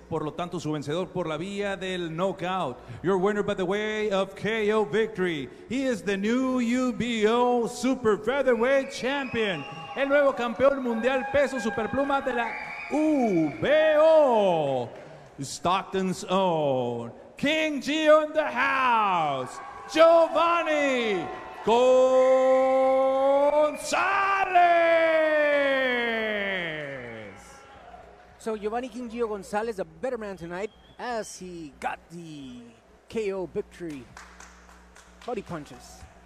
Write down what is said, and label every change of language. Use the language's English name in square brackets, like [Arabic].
[Spanish] Por lo tanto, su vencedor por la vía del knockout. [English] Your winner by the way of KO victory. He is the new UBO Super Featherweight Champion. [Spanish] El nuevo campeón mundial peso superpluma de la UBO. [English] Stockton's own, King Gio in the house, Giovannie Gonzalez. So Giovannie King Gio Gonzalez, a better man tonight as he got the KO victory. Body punches.